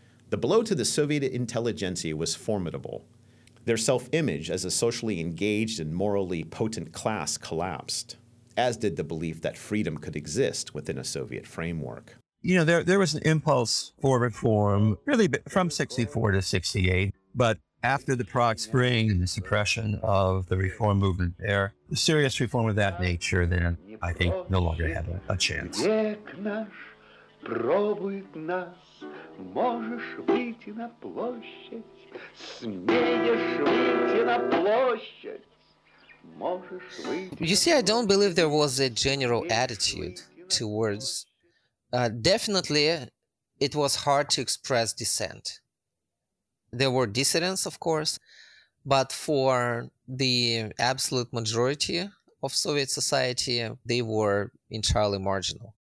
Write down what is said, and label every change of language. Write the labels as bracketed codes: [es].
[en] The blow to the Soviet intelligentsia was formidable. Their self-image as a socially engaged and morally potent class collapsed, as did the belief that freedom could exist within a Soviet framework. You know, there was an impulse for reform, really from 64 to 68, but after the Prague Spring and the suppression of the reform movement there, the serious reform of that nature then, I think, no longer had a chance. [ru] Век наш пробует нас, можешь выйти на площадь, смеешь выйти на площадь, можешь выйти... [en] You see, I don't believe there was a general attitude towards... definitely, it was hard to express dissent. There were dissidents, of course, but for the absolute majority of Soviet society, they were entirely marginal.